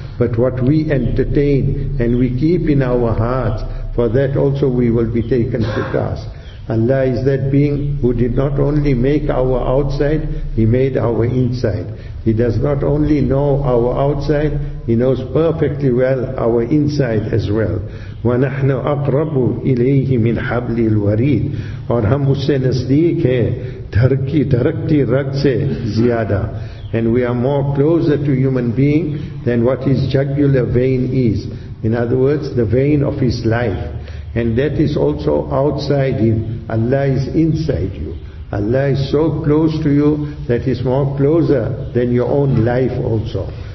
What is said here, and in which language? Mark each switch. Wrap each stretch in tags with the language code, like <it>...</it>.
<en>But what we entertain and we keep in our hearts, for that also we will be taken to task. Allah is that being who did not only make our outside, He made our inside. He does not only know our outside, He knows perfectly well our inside as well.</en> <ar>وَنَحْنُ أَقْرَبُ إِلَيْهِ مِنْ حَبْلِ الْوَرِيدِ.</ar> <ur>اور ہم اس سے نزدیک ہیں دھرکی دھرکتی رگ سے زیادہ.</ur> <en>And we are more closer to human being than what his jugular vein is. In other words, the vein of his life. And that is also outside him. Allah is inside you. Allah is so close to you that is more closer than your own life also.</en>